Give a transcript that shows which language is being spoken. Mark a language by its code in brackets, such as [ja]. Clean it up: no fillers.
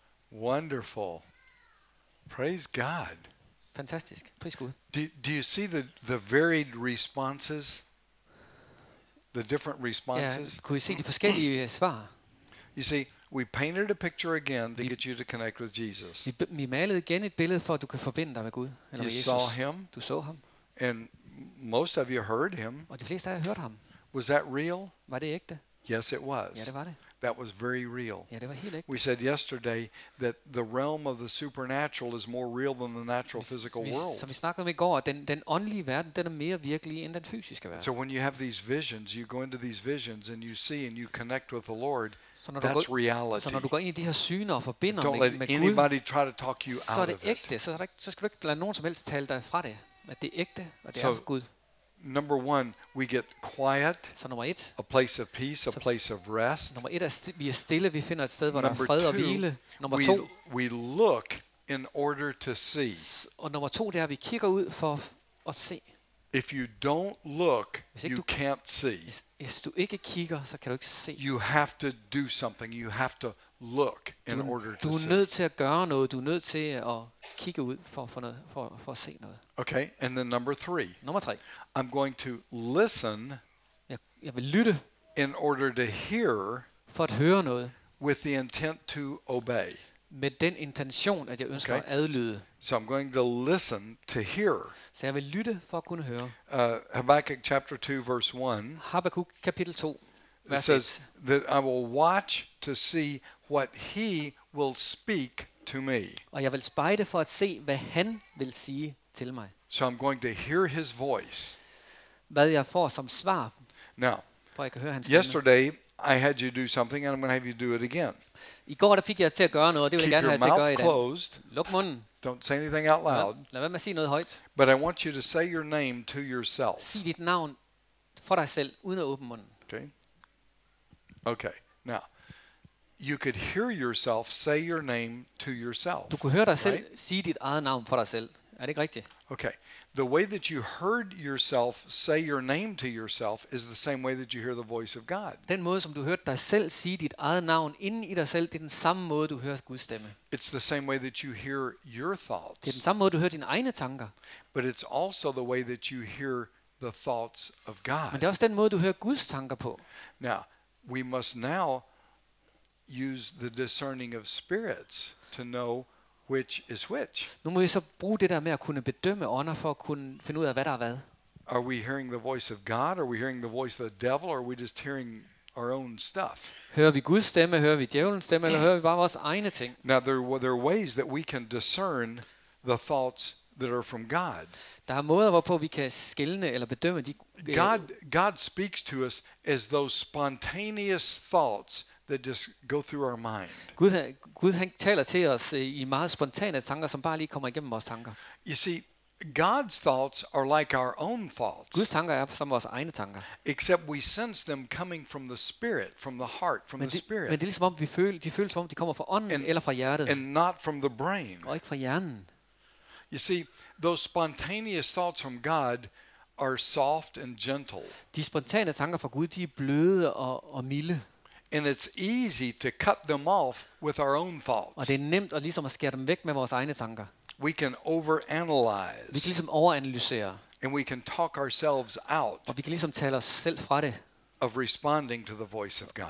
[en] Wonderful. Praise God. [da] Fantastisk. [en] Praise God. Do you see the varied responses? the different responses. [da] Ja, kunne I se de forskellige svar? [en] You see, we painted a picture again to get you to connect with Jesus. [da] Vi malede igen et billede for at du kan forbinde dig med Gud eller [en] you [da] med Jesus. [en] You saw him. [da] Du så ham. [en] And most of you heard him. [da] Og de fleste af jer hørte ham. [en] Was that real? [da] Var det ægte? [en] Yes, it was. [da] Ja, det var det. [en] That was very real. [da] Ja, det var helt ægte. [en] We said yesterday that the realm of the supernatural is more real than the natural physical world. [da] Som vi snakkede om i går, at den åndelige verden, den er mere virkelig end den fysiske verden. [en] So when you have these visions, you go into these visions and you see and you connect with the Lord. That's reality. [da] Så når du går ind i de her syner og forbinder [en] don't [da] med Gud, [en] let anybody try to talk you out of it. [da] Så er det ægte, så skal du ikke lade nogen som helst tale dig fra det, at det er ægte og det er fra Gud. [en] Number one, we get quiet. [da] Så nummer et, [en] a place of peace, a place of rest. [da] Nummer et, vi er stille, vi finder et sted hvor der er fred og hvile. Nummer to, [en] we look in order to see. [da] Og nummer to, det er, vi kigger ud for at se. [en] If you don't look, you can't see. [da] Hvis du ikke kigger, så kan du ikke se. [en] You have to do something. You have to look in order to see. [da] Du er nødt til at gøre noget. Du er nødt til at kigge ud for at se noget. [en] Okay, and then number three. [da] Nummer tre. [en] I'm going to listen. [da] Jeg vil lytte. [en] In order to hear. [da] For at høre noget. [en] With the intent to obey. [da] Med den intention, at jeg ønsker at adlyde. [en] So I'm going to listen to hear. [da] Så jeg vil lytte for at kunne høre. [en] Habakkuk chapter 2 verse 1. [da] Habakkuk kapitel 2. [en] It says that I will watch to see what he will speak to me. [da] Og jeg vil spejde for at se hvad han vil sige til mig. [en] So I'm going to hear his voice. [da] Hvad jeg får som svar. [en] Now, [da] for jeg kan høre hans stemme. [en] Yesterday I had you do something and I'm going to have you do it again. [da] I går der fik jeg til at gøre noget, og det vil jeg gerne have til at gøre i dag. [en] Keep your mouth closed. [da] Luk munden. [en] Don't say anything out loud. [da] Lad være med at sige noget højt. [en] But I want you to say your name to yourself. [da] Sig dit navn for dig selv uden at åbne munden. [en] Okay. Okay. Now, you could hear yourself say your name to yourself. [da] Du kunne høre dig selv sige dit eget navn for dig selv. Er det ikke rigtigt? [en] Okay. The way that you heard yourself say your name to yourself is the same way that you hear the voice of God. [da] Den måde som du hørte dig selv sige dit eget navn inden i dig selv, det er den samme måde du hører Guds stemme. [en] It's the same way that you hear your thoughts. [da] Det er den samme måde du hører dine egne tanker. [en] But it's also the way that you hear the thoughts of God. [da] Men det er også den måde du hører Guds tanker på. [en] Now, we must now use the discerning of spirits to know which is which. [da] Nu må vi så bruge det der med at kunne bedømme ånder for at kunne finde ud af hvad der er hvad. [en] Are we hearing the voice of God? Are we hearing the voice of the devil? Or are we just hearing our own stuff? [da] Hører vi Guds stemme? Hører vi djævelens stemme? Eller hører vi bare vores egne ting? [en] Now there are ways that we can discern the thoughts that are from God. [da] Der er måder hvorpå vi kan skelne eller bedømme de. [en] God speaks to us as those spontaneous thoughts that just go through our mind. [da] Gud han taler til os i meget spontane tanker som bare lige kommer igennem vores tanker. [en] You see, God's thoughts are like our own thoughts. [da] Guds tanker er som vores egne tanker. [en] Except we sense them coming from the spirit, from the heart, from the spirit. [da] Men det er ligesom om vi føler, de føles som om de kommer fra ånden eller fra hjertet. [en] And not from the brain. [da] Og ikke fra hjernen. [en] You see, those spontaneous thoughts from God are soft and gentle. [da] De spontane tanker fra Gud, de er bløde og milde. [en] And it's easy to cut them off with our own thoughts. [da] Og det er nemt at ligesom at skære dem væk med vores egne tanker. [en] We can overanalyze. [da] Vi kan ligesom overanalysere. [en] And we can talk ourselves out. [da] Og vi kan ligesom tale os selv fra det. [en] Of responding to the voice of God.